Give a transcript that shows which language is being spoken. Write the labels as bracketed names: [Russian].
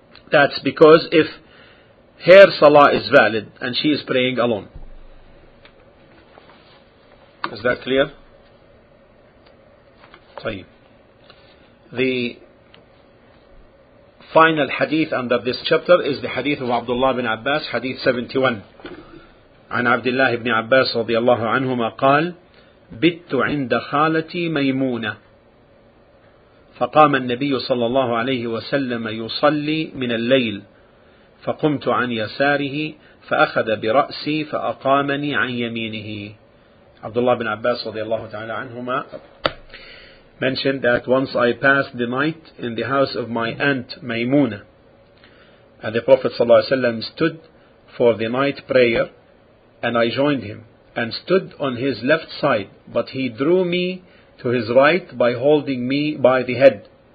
[English] That's because if her salah is valid and she is praying alone. Is that clear? Tayyib. The final hadith under this chapter is the hadith of Abdullah bin Abbas, hadith 71. [Arabic] عن عبد الله بن عباس رضي الله عنهما قال بت عند خالتي ميمونة فقام النبي صلى الله عليه وسلم يصلي من الليل فقمت عن يساره فأخذ برأسي فأقامني عن يمينه [English] Abdullah bin Abbas radiallahu ta'ala anhuma mentioned that once I passed the night in the house of my aunt Maymuna, and the Prophet sallallahu alayhi wa sallam stood for the night prayer, and I joined him and stood on his left side, but he drew me to his right by holding me by the head.